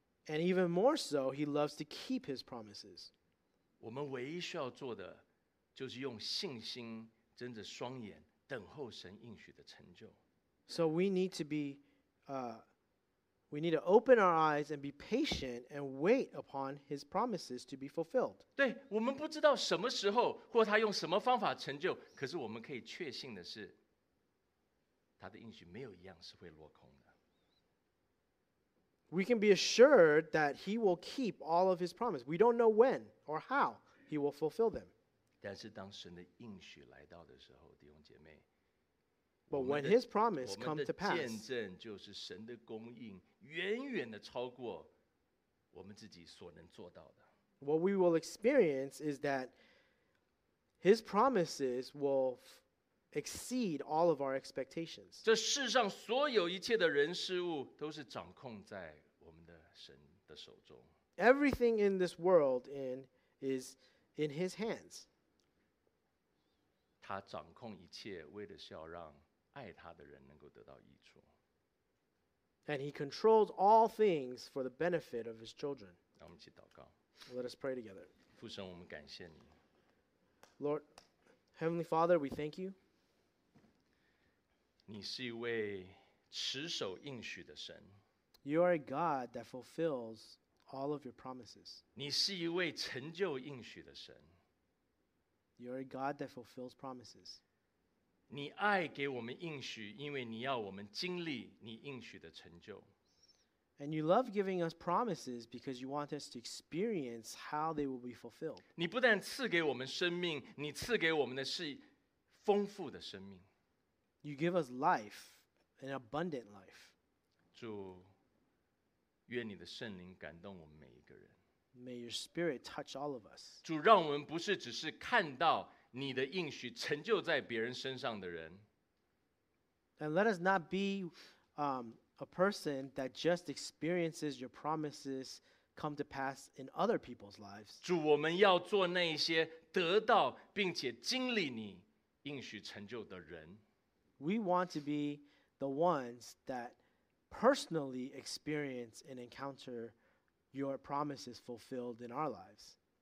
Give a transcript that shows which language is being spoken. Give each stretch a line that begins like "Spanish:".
English: And even more so, he loves to keep his promises.
Chinese: 我们唯一需要做的就是用信心睁着双眼等候神应许的成就。
English: So we need to be we need to open our eyes and be patient and wait upon his promises to be fulfilled.
Chinese: 对，我们不知道什么时候或他用什么方法成就，可是我们可以确信的是，他的应许没有一样是会落空的。
English: We can be assured that he will keep all of his promises. We don't know when or how he will fulfill them.
Chinese: 但是当神的应许来到的时候，弟兄姐妹，
English: But when his promise comes to pass,
Chinese: 我们的见证就是神的供应远远的超过我们自己所能做到的。
English: What we will experience is that his promises will exceed all of our expectations.
Chinese: 这世上所有一切的人事物都是掌控在我们的神的手中。
English: Everything in this world is in his hands.
Chinese: 他掌控一切，为的是要让爱他的人能够得到益处。
English: And he controls all things for the benefit of his children.
Chinese: 让我们一起祷告。
English: Let us pray together.
Chinese: 父神，我们感谢你。
English: Lord, Heavenly Father, we thank you.
Chinese: 你是一位持守应许的神。
English: You are a God that fulfills all of your promises.
Chinese: 你是一位成就应许的神。
English: You are a God that fulfills promises.
Chinese: 你爱给我们应许，因为你要我们经历你应许的成就。
English: And you love giving us promises because you want us to experience how they will be fulfilled.
Chinese: 你不但赐给我们生命，你赐给我们的是丰富的生命。
English: You give us life, an abundant life.
Chinese: 主，愿你的圣灵感动我们每一个人。
English: May your spirit touch all of us.
Chinese: 主，让我们不是只是看到你的应许成就在别人身上的人。
English: And let us not be a person that just experiences your promises come to pass in other people's lives.
Chinese: 主，我们要做那些得到并且经历你应许成就的人。
English: We want to be the ones that personally experience and encounter your promises fulfilled in our lives.